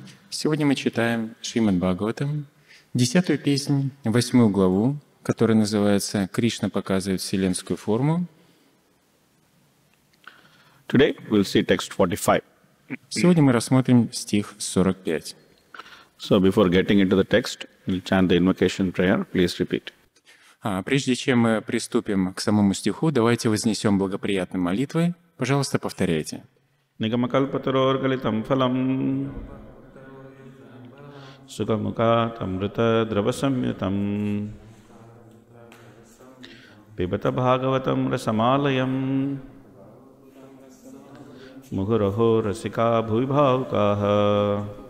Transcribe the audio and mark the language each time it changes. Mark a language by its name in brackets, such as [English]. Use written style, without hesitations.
[Russian] Сегодня мы читаем Шримад Бхагаватам, 10-ю песнь, 8-ю главу, которая называется «Кришна показывает вселенскую форму». [English] Today we'll see text 45. [Russian] Сегодня мы рассмотрим стих 45. [English] So before getting into the text, we'll chant the invocation prayer. Please repeat. [Russian] Прежде чем мы приступим к самому стиху, давайте вознесем благоприятные молитвы. Пожалуйста, повторяйте. [Sanskrit] Нигамакалпатароргалитам фалам Сугамукатам ритадравасамьютам Пибата бхагаватам расамалаям Мухурахо расика бхуйбхаукаха